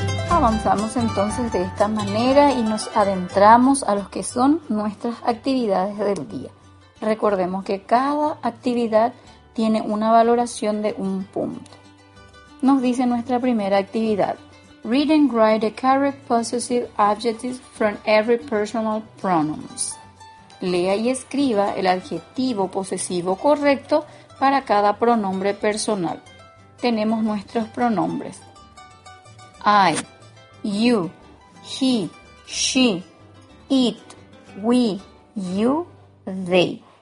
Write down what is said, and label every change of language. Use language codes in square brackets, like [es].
[es] Avanzamos entonces de esta manera y nos adentramos a lo que son nuestras actividades del día. Recordemos que cada actividad tiene una valoración de un punto. Nos dice nuestra primera actividad. [en] Read and write the correct possessive adjectives from every personal pronouns. [es] Lea y escriba el adjetivo posesivo correcto para cada pronombre personal. Tenemos nuestros pronombres. [en] I, you, he, she, it, we, you, they.